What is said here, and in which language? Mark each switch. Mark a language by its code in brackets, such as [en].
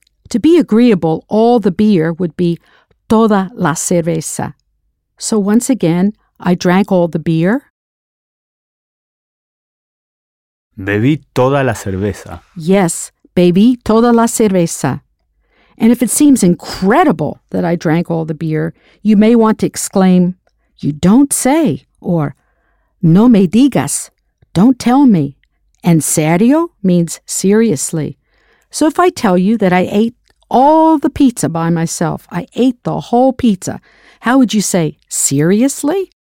[en] To be agreeable, all the beer would be [es] toda la cerveza. [en] So once again, I drank all the beer. [es] Bebí toda la cerveza. Yes, bebí toda la cerveza. [en] And if it seems incredible that I drank all the beer, you may want to exclaim, you don't say, or [es] no me digas, [en] don't tell me. En serio means seriously. So if I tell you that I ate all the pizza by myself, I ate the whole pizza, how would you say, seriously?